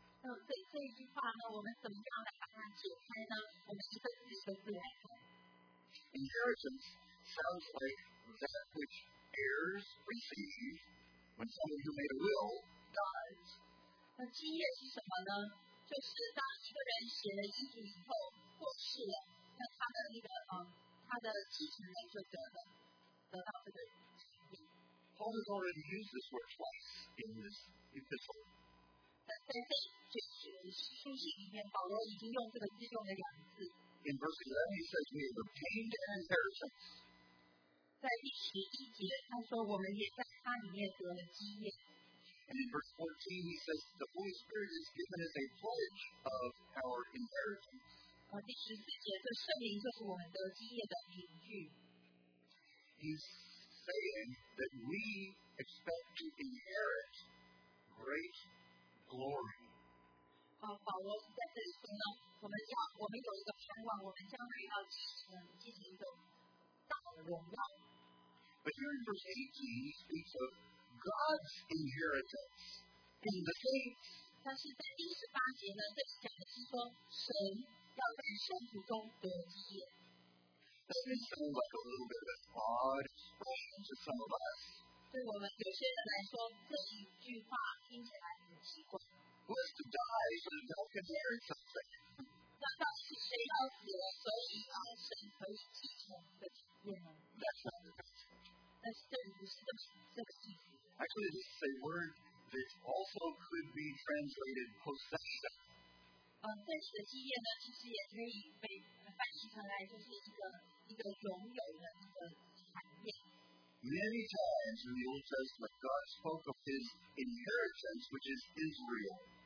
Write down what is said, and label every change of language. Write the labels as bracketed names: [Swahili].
[Chinese] 所以这一句话呢，我们怎么样来把它解开呢？我们是根据圣经来看。 [English] Inheritance sounds like that which heirs receive when someone who made a will dies. [Chinese] 那基业是什么呢？就是当一个人写了遗嘱以后过世了，那他的那个他的继承人就得到这个遗嘱。 [English] Paul has already used this word twice in this epistle. [Chinese] 在这卷书信里面，保罗已经用这个字用了两次。 [English] In verse 11, he says, "We have obtained an inheritance." [Chinese] 在第十一节，他说我们也在他里面得了基业。 [English] And in verse 14, he says, "The Holy Spirit is given as a pledge of our inheritance." [Chinese] 第十四节，这圣灵就是我们得基业的凭据。 [English] He's saying that we expect to inherit great glory. [Chinese] 保罗在这里说呢，我们有一个盼望，我们将会要继承一个大荣耀。 [English] But here in verse 18, he speaks of God's inheritance in the saints. [Chinese] 但是在第十八节呢，这里讲的是说神要在圣徒中得基业。 [English] That may sound like a little bit of odd strange to some of us. [Chinese] 对我们有些人来说，这一句话听起来很奇怪。 [English] Who has to die so that God can inherit something? [Chinese] 那到底是谁要死了，所以神可以继承的基业呢？ [English] That's not the case. [Chinese] 但是这里不是这个意思。 [English] Actually, this is a word that also could be translated possession. [Chinese] 这里的基业呢，其实也可以被翻译成来就是一个拥有的一个产业。 [English] Many times in the Old Testament, God spoke of His inheritance, which is Israel.